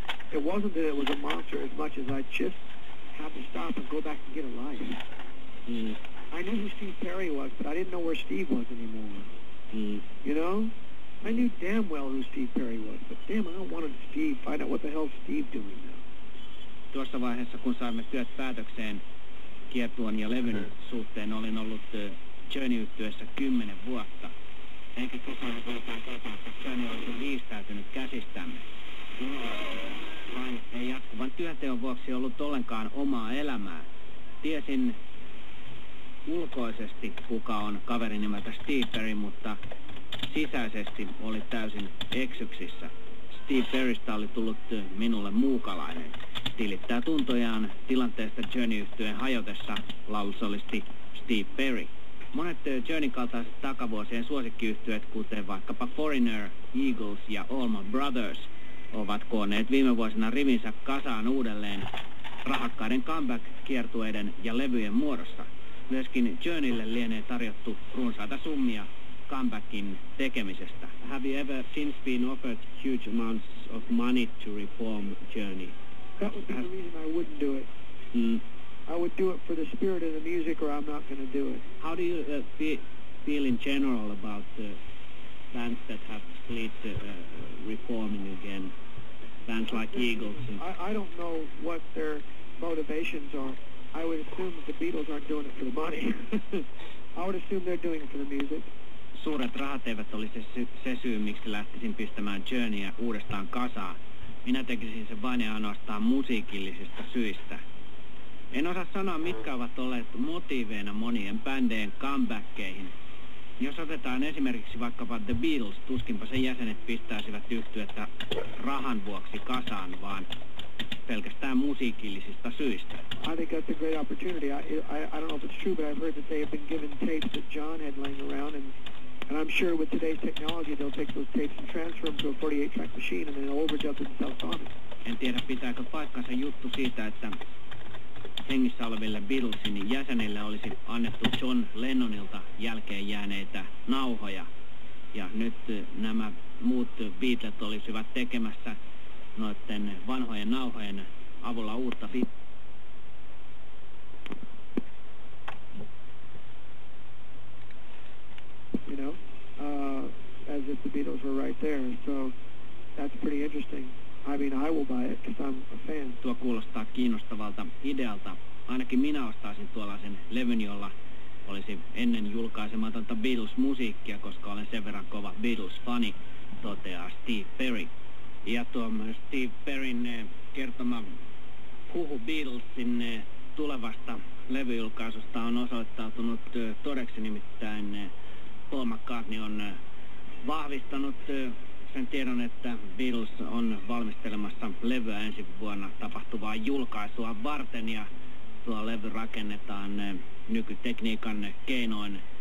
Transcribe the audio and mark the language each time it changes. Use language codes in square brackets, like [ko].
[en] It wasn't that it was a monster as much as I just had to stop and go back and get a life. Mm. I knew who Steve Perry was, but I didn't know where Steve was anymore. Mm. You know? I knew damn well who Steve Perry was, but damn, I wanted Steve to find out what the hell Steve doing now. [fi] Tuossa vaiheessa, kun saimme työt päätökseen kiertuen ja levyn suhteen, olin ollut Journey-yhtyeessä 10 vuotta. Enkä kukaan ole vieläkään kertonut, että Journey olisi liistäytynyt käsistämme. Vain ei jatkuvan työnteon vuoksi ollut ollenkaan omaa elämää. Tiesin ulkoisesti, kuka on kaveri nimeltä Steve Perry, mutta sisäisesti oli täysin eksyksissä. Steve Perrystä oli tullut minulle muukalainen. Tilittää tuntojaan tilanteesta Journey-yhtyeen hajotessa laulusolisti Steve Perry. Monet Journeyn kaltaiset takavuosien suosikkiyhtyöt, kuten vaikkapa Foreigner, Eagles ja All My Brothers, ovat koonneet viime vuosina rivinsä kasaan uudelleen rahakkaiden comeback-kiertueiden ja levyjen muodossa. Myöskin Journeylle lienee tarjottu runsaita summia comebackin tekemisestä. [en] Have you ever since been offered huge amounts of money to reform Journey? That would be the reason I wouldn't do it. I would do it for the spirit of the music, or I'm not going to do it. How do you feel in general about the bands that have split reforming again? Bands like Eagles? I don't know what their motivations are. I would assume that the Beatles aren't doing it for the money. I would assume they're doing it for the music. [fi] Suuret rahat eivät olisi se syy, miksi lähtisin pistämään Journeyä uudestaan kasaan. Minä tekisin sen vain ja ainoastaan musiikillisista syistä. En osaa sanoa, mitkä ovat olleet motiiveina monien bändeen comebackkeihin. Jos otetaan esimerkiksi vaikkapa The Beatles, tuskinpa sen jäsenet pistäisivät yhtyettä rahan vuoksi kasaan, vaan pelkästään musiikillisista syistä. [en] I think that's a great opportunity. I don't know if it's true, but I've heard that they have been given tapes that John had laying around, and I'm sure with today's technology they'll take those tapes and transfer them to a 48-track machine and then overdub themselves on it. [fi] En tiedä, pitääkö paikkansa juttu siitä, että hengissä oleville Beatlesin jäsenille olisi annettu John Lennonilta jälkeen jääneitä nauhoja, ja nyt nämä muut Beatlet olisivat tekemässä noitten vanhojen nauhojen avulla uutta bit. [en] You know, as if the Beatles were right there, so that's pretty interesting. I mean, I will buy it, because I'm a fan. [fi] Tuo kuulostaa kiinnostavalta idealta. Ainakin minä ostaisin tuollaisen levyn, jolla olisi ennen julkaisematonta Beatles-musiikkia, koska olen sen verran kova Beatles-fani, toteaa Steve Perry. Ja tuo Steve Perryn kertoma huhu Beatlesin tulevasta levyjulkaisusta on osoittautunut todeksi, nimittäin Paul McCartney on vahvistanut sen tiedon, että Beatles on valmistelemassa levyä ensi vuonna tapahtuvaa julkaisua varten, ja tuo levy rakennetaan nykytekniikan keinoin